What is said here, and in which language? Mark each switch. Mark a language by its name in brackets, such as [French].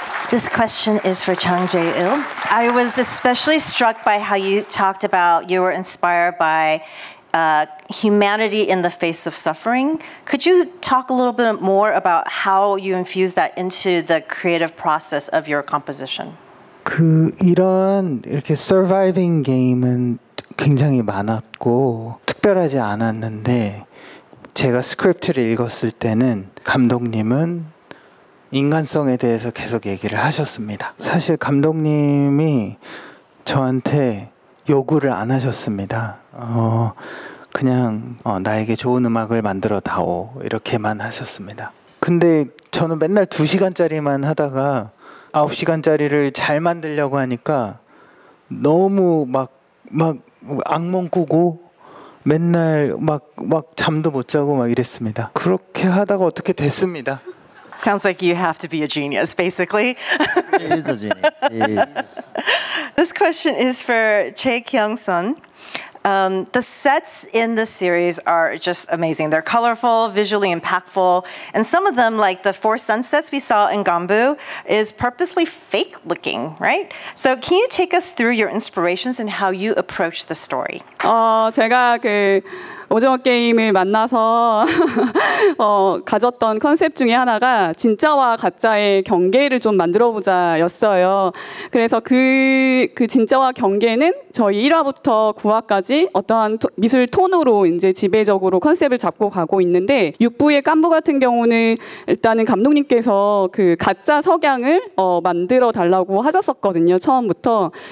[English] This question is for Jung Jae-il. I was especially struck by how you talked about you were inspired by humanity in the face of suffering. Could you talk a little bit more about how you infuse that into the creative process of your composition? [Korean] 그 이런 이렇게 surviving game은 굉장히 많았고 특별하지 않았는데 제가 스크립트를 읽었을 때는 감독님은 인간성에 대해서 계속 얘기를 하셨습니다. 사실 감독님이 저한테 요구를 안 하셨습니다. 그냥 나에게 좋은 음악을 만들어 다오 이렇게만 하셨습니다. 근데 저는 맨날 2시간짜리만 하다가 9시간짜리를 잘 만들려고 하니까 너무 막 악몽 꾸고 맨날 막 잠도 못 자고 막 이랬습니다. 그렇게 하다가 어떻게 됐습니다. [English] Sounds like you have to be a genius, basically. He is a genius. This question is for Chae Kyoung-sun. The sets in the series are just amazing. They're colorful, visually impactful, and some of them, like the four sunsets we saw in Gambu, is purposely fake looking, right? So can you take us through your inspirations and how you approach the story? [Korean] 제가 오징어 게임을 만나서 가졌던 컨셉 중에 하나가 진짜와 가짜의 경계를 좀 만들어보자 였어요. 그래서 그 진짜와 경계는 저희 1화부터 9화까지 어떠한 미술 톤으로 이제 지배적으로 컨셉을 잡고 가고 있는데 6부의 깐부 같은 경우는 일단은 감독님께서 그 가짜 석양을 만들어 달라고 하셨었거든요. 처음부터.